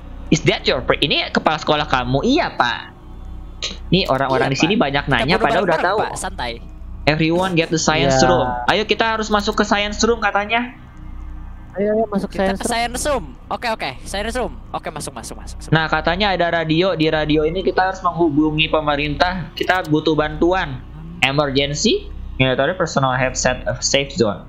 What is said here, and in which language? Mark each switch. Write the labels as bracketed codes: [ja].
[en] Is that your pr- [id] ini kepala sekolah kamu? Iya, Pak. Nih, orang-orang iya, di sini banyak nanya padahal udah tahu. Pak, santai. [en] Everyone get the science room. [id] Ayo kita harus masuk ke science room katanya. Ayo masuk kita science, science room. Oke. Science room. Oke, masuk. Nah, katanya ada radio. Di radio ini kita harus menghubungi pemerintah. Kita butuh bantuan. Emergency? [en] Military personal have set a safe zone.